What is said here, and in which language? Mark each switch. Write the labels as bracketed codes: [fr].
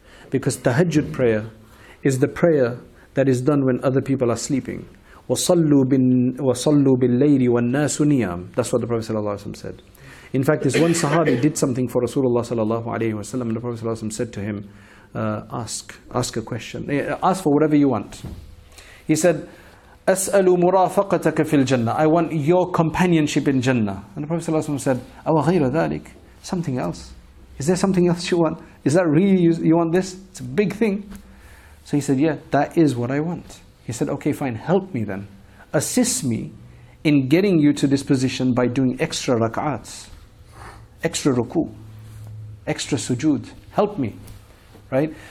[en] Because tahajjud prayer is the prayer that is done when other people are sleeping. [ar] وَصَلُّوا بِاللَّيْلِ وَالنَّاسُ نِيَامُ. [en] That's what the Prophet ﷺ said. In fact, this one Sahabi did something for Rasulullah ﷺ, and the Prophet ﷺ said to him, ask a question. Ask for whatever you want. He said, [ar] أَسْأَلُ مُرَافَقَتَكَ فِي الْجَنَّةِ. [en] I want your companionship in Jannah. And the Prophet ﷺ said, [ar] أَوَغَيْرَ ذَلِكَ. [en] Something else. Is there something else you want? Is that really you want this? It's a big thing. So he said, yeah, that is what I want. He said, okay, fine, help me then. Assist me in getting you to this position by doing extra rak'ats, extra ruku, extra sujood. Help me. Right?